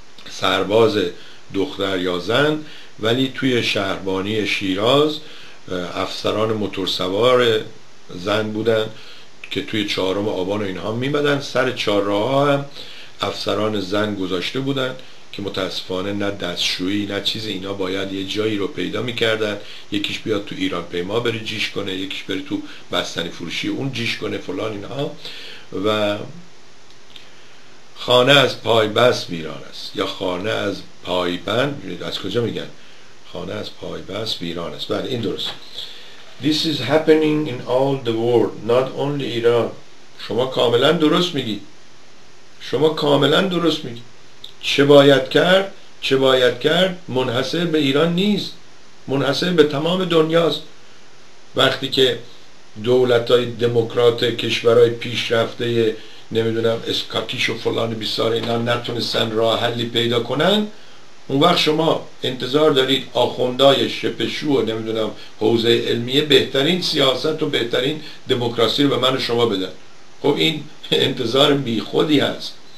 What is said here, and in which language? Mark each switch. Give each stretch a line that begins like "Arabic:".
Persian: سرباز دختر یا زن، ولی توی شهربانی شیراز افسران موتورسوار زن بودن که توی چهارم آبان و اینها میمدن، سر چهارراه هم افسران زن گذاشته بودن که متاسفانه نه دستشویی نه چیزی، اینا باید یه جایی رو پیدا میکردن، یکیش بیاد تو ایران پیما بره جیش کنه، یکیش بره تو بستنی فروشی اون جیش کنه فلان اینها. و خانه از پای بست ویران است، یا خانه از پای بند، از کجا میگن خانه از پای بست ویران است، بله این درست.
English: This is happening in all the world, not only Iran.
Persian: شما کاملا درست میگی، شما کاملا درست میگی. چه باید کرد؟ چه باید کرد؟ منحصر به ایران نیست، منحصر به تمام دنیاست. وقتی که دولت‌های دموکرات کشورهای پیشرفته نمیدونم اسکاکیش و فلان بیسار اینا نتونستن راه حلی پیدا کنن، اون وقت شما انتظار دارید آخوندای شپشو و نمیدونم حوزه علمیه بهترین سیاست و بهترین دموکراسی رو به من و شما بدن؟ خب این انتظار بی خودی هست.